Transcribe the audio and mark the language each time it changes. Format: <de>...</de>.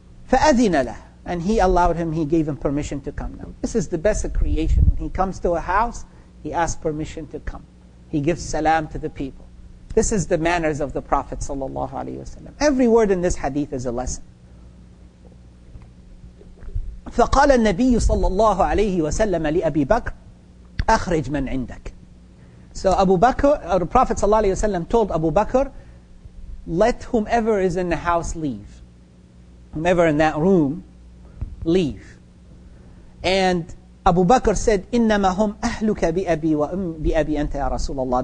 <ar>فَأَذِنَ لَهُ,</ar> <en>and he allowed him, he gave him permission to come. Now, this is the best of creation. When he comes to a house, he asks permission to come. He gives salam to the people. This is the manners of the Prophet sallallahu alaihi wasallam. Every word in this hadith is a lesson.</en> <ar>فَقَالَ النَّبِيُّ sallallahu alaihi wasallam لِأَبِي بَكْرِ أَخْرِجْ مَنْ عِنْدَكَ.</ar> <en>So Abu Bakr, or the Prophet sallallahu alaihi wasallam told Abu Bakr, "Let whomever is in the house leave. Whomever in that room, leave." And Abu Bakr said,</en> <ar>"Innama hum ahluka bi abi wa bi abi anta ya Rasulullah."</ar>